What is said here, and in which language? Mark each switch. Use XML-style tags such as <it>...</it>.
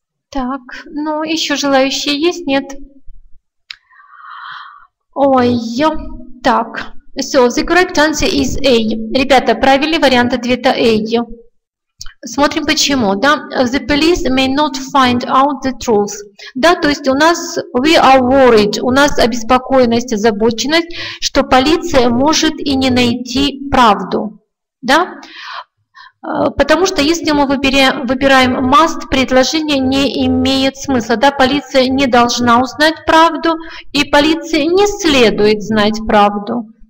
<ru>Так, ну еще желающие есть? Нет. Ой, так.</ru> <en>So, the correct answer is A.</en> <ru>Ребята, правильный вариант ответа A. Смотрим, почему. Да?</ru> <en>The police may not find out the truth.</en> <ru>Да, то есть у нас</ru> <en>we are worried,</en> <ru>у нас обеспокоенность, озабоченность, что полиция может и не найти правду. Да? Потому что если мы выбираем must, предложение не имеет смысла. Да? Полиция не должна узнать правду, и полиции не следует знать правду.</ru>